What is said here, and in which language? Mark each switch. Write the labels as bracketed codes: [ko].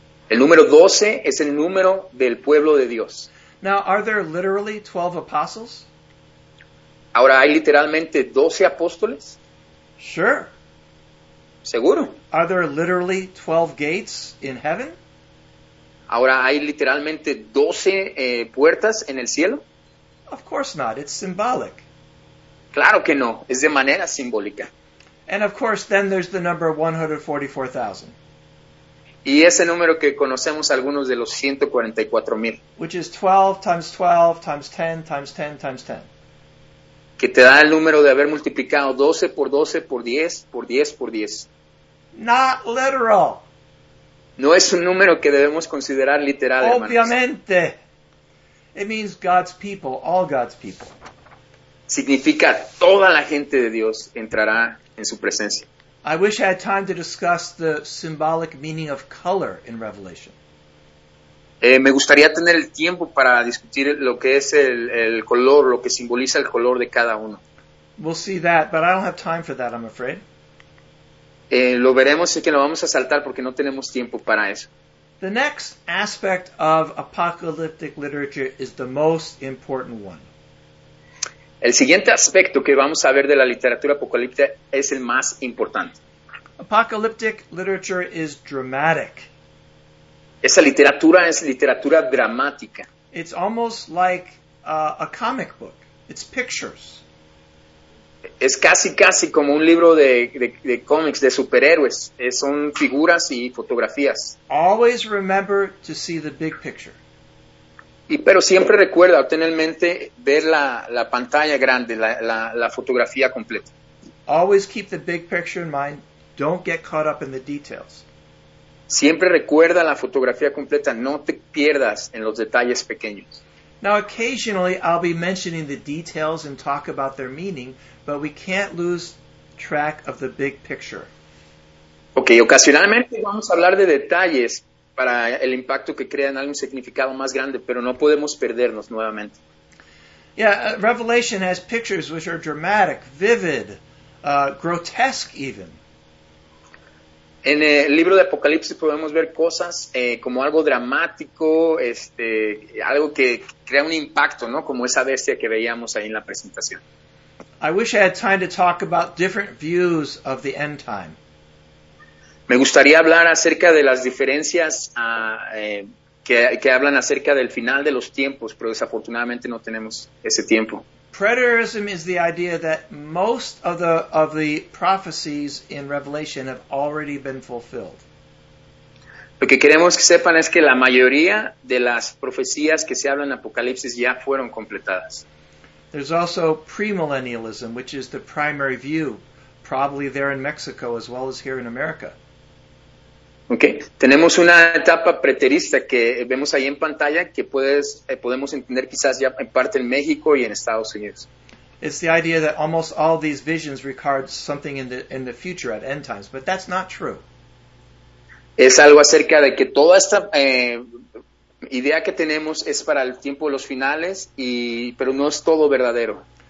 [es] El número 12 es el número del pueblo de Dios. [en] Now, are there literally 12 apostles? [es] Ahora, ¿hay literalmente 12 apóstoles? [en] Sure. [es] Seguro. [en] Are there literally 12 gates in heaven? [es] Ahora, ¿hay literalmente 12 puertas en el cielo? [en] Of course not. It's symbolic. [es] Claro que no. Es de manera simbólica. [en] And of course, then there's the number 144,000. [es] Y ese número que conocemos algunos de los 144,000. [en] Which is 12 times 12 times 10 times 10 times 10. [es] Que te da el número de haber multiplicado 12 por 12 por 10 por 10 por 10. [en] Not literal. [es] No es un número que debemos considerar literal, hermanos. Obviamente. [en] It means God's people, all God's people. [es] Significa toda la gente de Dios entrará en su presencia. [en] I wish I had time to discuss the symbolic meaning of color in Revelation. [es] Me gustaría tener el tiempo para discutir lo que es el color, lo que simboliza el color de cada uno. [en] We'll see that, but I don't have time for that, I'm afraid. [es] Lo veremos, es que lo vamos a saltar porque no tenemos tiempo para eso. [en] The next aspect of apocalyptic literature is the most important one. [es] El siguiente aspecto que vamos a ver de la literatura apocalíptica es el más importante. [en] Apocalyptic literature is dramatic. [es] Esa literatura es literatura dramática. [en] It's almost like a comic book. It's pictures. [es] Es casi como un libro de cómics, de superhéroes. Son figuras y fotografías. [en] Always remember to see the big picture. [es] Pero siempre recuerda, ten en mente, ver la pantalla grande, la fotografía completa. [en] Always keep the big picture in mind. Don't get caught up in the details. [es] Siempre recuerda la fotografía completa. No te pierdas en los detalles pequeños. [en] Now, occasionally, I'll be mentioning the details and talk about their meaning, but we can't lose track of the big picture. [es] Okay, ocasionalmente vamos a hablar de detalles para el impacto que crean algún significado más grande, pero no podemos perdernos nuevamente. [en] Yeah, Revelation has pictures which are dramatic, vivid, grotesque even. [es] En el libro de Apocalipsis podemos ver cosas como algo dramático, algo que crea un impacto, ¿no? Como esa bestia que veíamos ahí en la presentación. [en] I wish I had time to talk about different views of the end time. [es] Me gustaría hablar acerca de las diferencias que hablan acerca del final de los tiempos, pero desafortunadamente no tenemos ese tiempo. [en] Preterism is the idea that most of the prophecies in Revelation have already been fulfilled. [es] Lo que queremos que sepan es que la mayoría de las profecías que se hablan en Apocalipsis ya fueron completadas. [en] There's also premillennialism, which is the primary view, probably there in Mexico as well as here in America. Okay. [es] Tenemos una etapa preterista que vemos ahí en pantalla que podemos entender quizás ya en parte en México y en Estados Unidos. [en] It's the idea that almost all these visions regard something in the future at end times, but that's not true. [es] Es algo acerca de que toda esta idea que tenemos es para el tiempo de los finales, pero no es todo verdadero.